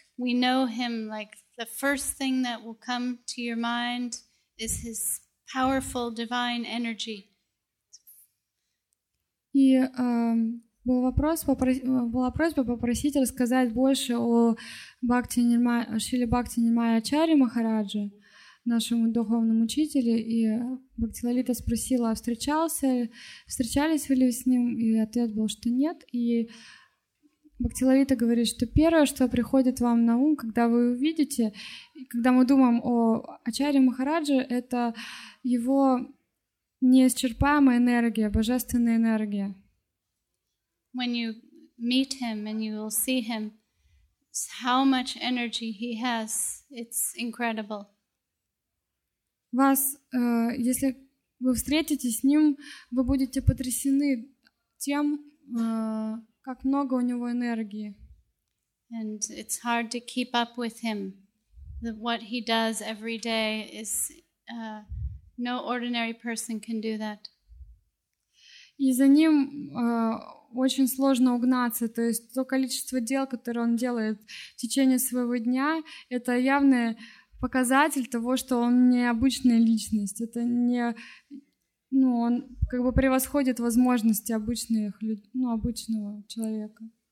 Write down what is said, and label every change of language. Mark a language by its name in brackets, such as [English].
[English] We know him, like, the first thing that will come to your mind is his powerful divine energy. [Russian] И была просьба попросить рассказать больше о Шриле Бхакти Нирмалачарье Махараджи, нашему духовному учителю, и Бхакти Лалита спросила, встречались ли вы с ним, и ответ был, что нет. И Бхакти Лалита говорит, что первое, что приходит вам на ум, когда вы увидите, когда мы думаем о Ачарье Махарадже, это его неисчерпаемая энергия, божественная энергия. [English] When you meet him and you will see him, how much energy he has, it's incredible. [Russian] Вас, если вы встретитесь с ним, вы будете потрясены тем, как много у него энергии. [English] And it's hard to keep up with him. What he does every day is no ordinary person can do that. [Russian] И за ним очень сложно угнаться. То есть то количество дел, которое он делает в течение своего дня, это явное показатель того, что он необычная личность, это не, ну, он как бы превосходит возможности обычных, ну, обычного человека.